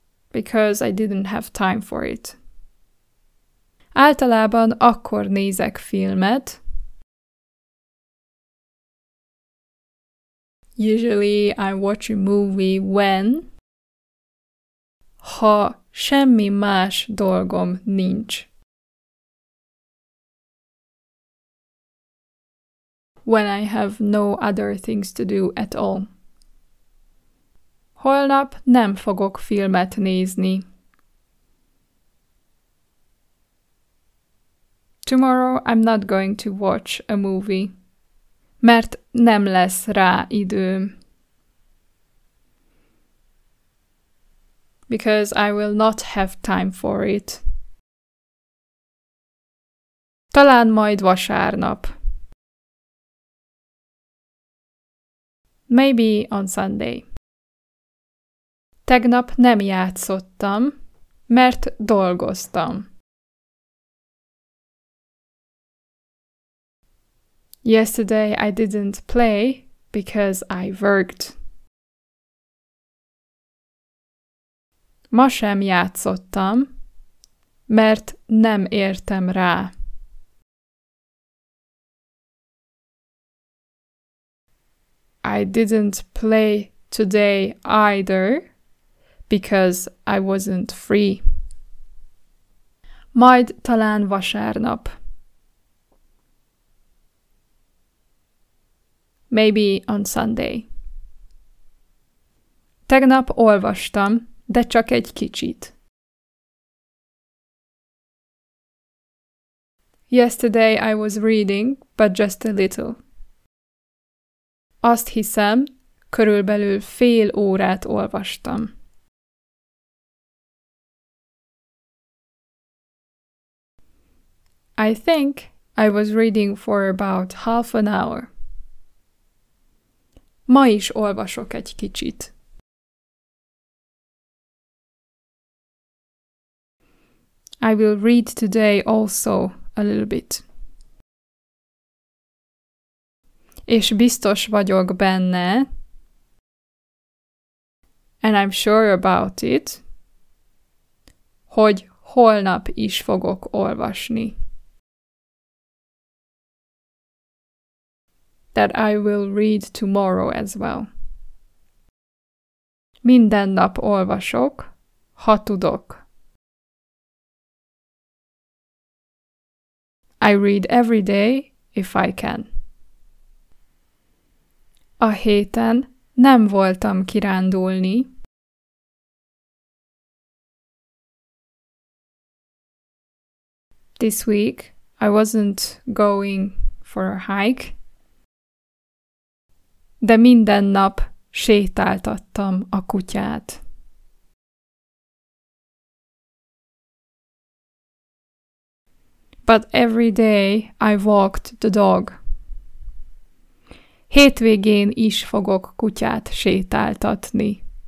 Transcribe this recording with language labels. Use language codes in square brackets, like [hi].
[en] Because I didn't have time for it. [hu] Általában akkor nézek filmet. [en] Usually I watch a movie when... [hu] Ha semmi más dolgom nincs. [en] When I have no other things to do at all. [hu] Holnap nem fogok filmet nézni. [en] Tomorrow I'm not going to watch a movie. [hu] Mert nem lesz rá időm. [en] Because I will not have time for it. [hu] Talán majd vasárnap. [en] Maybe on Sunday. [hu] Tegnap nem játszottam, mert dolgoztam. [en] Yesterday I didn't play because I worked. [hu] Ma sem játszottam, mert nem értem rá. [en] I didn't play today either because I wasn't free. [hu] Majd talán vasárnap. [en] Maybe on Sunday. [hu] Tegnap olvastam, de csak egy kicsit. [en] Yesterday I was reading, but just a little. [hu] Azt hiszem, körülbelül fél órát olvastam. [en] I think I was reading for about half an hour. [hu] Ma is olvasok egy kicsit. [en] I will read today also a little bit. [hu] És biztos vagyok benne. [en] And I'm sure about it. [hu] Hogy holnap is fogok olvasni. [en] That I will read tomorrow as well. [hu] Minden nap olvasok, ha tudok. [en] I read every day if I can. [hu] A héten nem voltam kirándulni. [en] This week I wasn't going for a hike. [hu] De minden nap sétáltattam a kutyát. [en] But every day I walked the dog. [hu] Hétvégén is fogok kutyát sétáltatni.